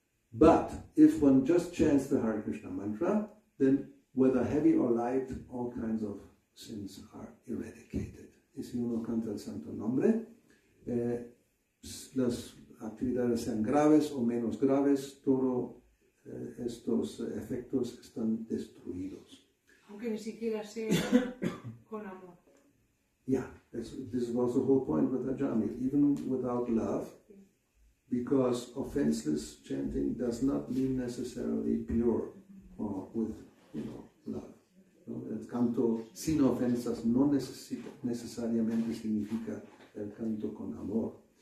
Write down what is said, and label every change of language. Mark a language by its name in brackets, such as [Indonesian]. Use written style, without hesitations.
[English] But if one just chants the Hare Krishna mantra, then whether heavy or light, all kinds of sins are eradicated. [Spanish] Y si uno canta el santo nombre, las actividades sean graves o menos graves, todos estos efectos están destruidos. Aunque ni siquiera sea con amor. [English] Yeah, this was the whole point with Ajami. Even without love, because offenseless chanting does not mean necessarily pure or with, you know, love. [Spanish] ¿No? El canto sin ofensas no necesariamente significa el canto con amor.